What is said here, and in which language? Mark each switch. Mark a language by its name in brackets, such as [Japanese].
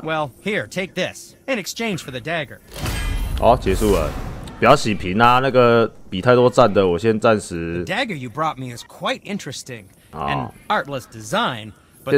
[English] Oh, well, here, take this in exchange for the dagger. [Chinese] 好，结束了，不要洗屏啦、啊。那个比太多赞的，我先暂时。 [English] The dagger you brought me is quite interesting and artless design, but